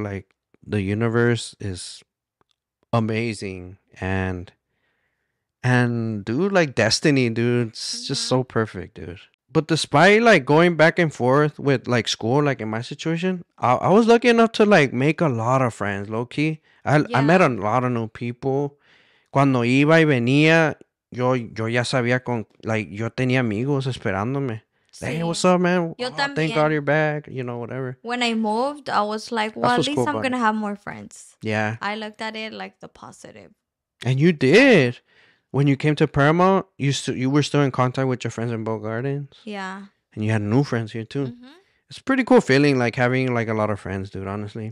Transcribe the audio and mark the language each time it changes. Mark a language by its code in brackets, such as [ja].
[en] Like, the universe is amazing and dude, like, destiny, dude, it's mm-hmm. just so perfect, dude. But despite, like, going back and forth with, like, school, like, in my situation, I was lucky enough to, like, make a lot of friends, low-key. I met a lot of new people. [es] Cuando iba y venía, yo ya sabía con, like, yo tenía amigos esperándome. [en] Hey, what's up, man? Thank God you're back. You know, whatever. When I moved, I was like, well, at least cool, I'm going to have more friends. Yeah. I looked at it like the positive. And you did. When you came to Paramount, you were still in contact with your friends in Bow Gardens. Yeah. And you had new friends here, too. Mm-hmm. It's a pretty cool feeling, like, having, like, a lot of friends, dude, honestly.